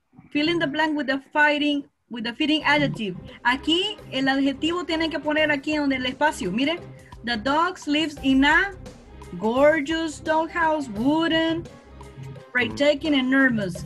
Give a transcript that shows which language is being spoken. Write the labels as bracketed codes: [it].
[en] Fill in the blank with the fitting adjective. [es] Aquí, el adjetivo tienen que poner aquí en el espacio. Miren. [en] The dog lives in a gorgeous doghouse, wooden, breathtaking and nervous.